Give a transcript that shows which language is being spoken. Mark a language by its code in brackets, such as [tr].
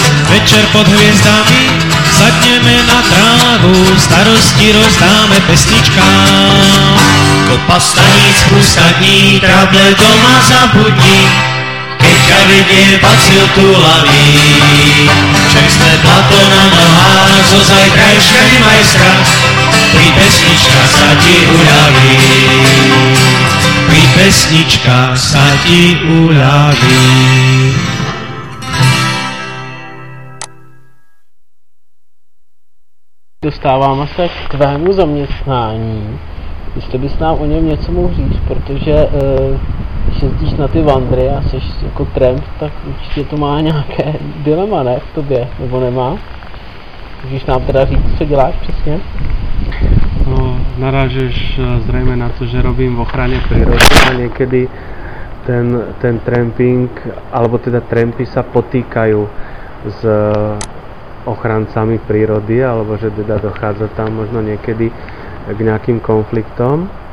[sk] Večer pod hviezdami sadneme na trávu, starosti rozdáme pesničkám. Kopa stanic, pusta dní, trable doma zabudni, keď ťa vedie bacil túlavý. Čerstvé plato na nohách, zo zajtrajška nemaj strach, pri pesničkách sa ti uľaví. Pesnička sa ti uľaví. [cs] Dostáváme se k tvému zaměstnání. Jestli bys nám o něm něco mohl říct, protože jezdíš na ty vandry a jsi jako tramp, tak určitě to má nějaké dilema, ne, v tobě, nebo nemá. Můžeš nám teda říct, co děláš přesně? [sk] No, narážeš zrejme na to, že robím v ochrane prírody a niekedy ten tramping, alebo teda trampy sa potýkajú s ochrancami prírody, alebo že teda dochádza tam možno niekedy k nejakým konfliktom.